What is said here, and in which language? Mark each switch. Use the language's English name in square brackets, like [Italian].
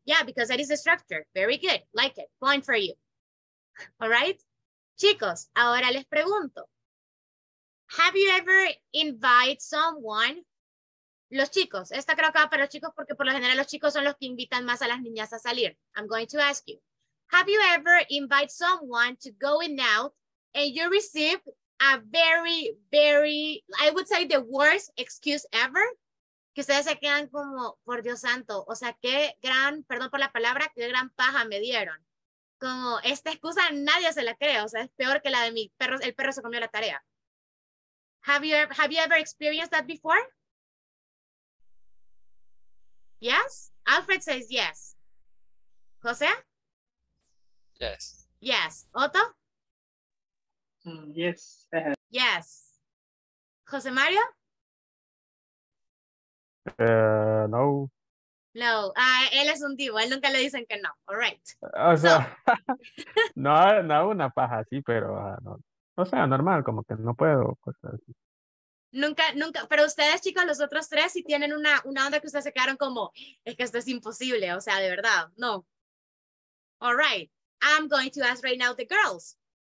[English] Yeah, because that is the structure. Very good. Like it. Point for you. All right? [Spanish] Chicos, ahora les pregunto. [English] Have you ever invited someone? [Spanish] Los chicos. Esta creo que va para los chicos porque por lo general los chicos son los que invitan más a las niñas a salir. [English] I'm going to ask you. Have you ever invited someone to going out and you receive a very, very, I would say the worst excuse ever? [Spanish] Que ustedes se quedan como, por Dios santo, o sea, qué gran, perdón por la palabra, qué gran paja me dieron. Como esta excusa nadie se la cree, o sea, es peor que la de mi perro, el perro se comió la tarea. [English] Have you ever experienced that before? Yes? Alfred says yes. José? Yes. Yes. Otto? Yes. Yes. Jose Mario? No. [Spanish] No, él es un divo, él nunca le dicen que no. [English] All right. [Spanish] O sea, no. No, no una paja así, pero no. O sea, normal, como que no puedo. Pues, así. Nunca, nunca, pero ustedes chicos, los otros tres, si tienen una onda que ustedes se quedaron como, es que esto es imposible, o sea, de verdad, no. [English] All right, I'm going to ask right now the girls.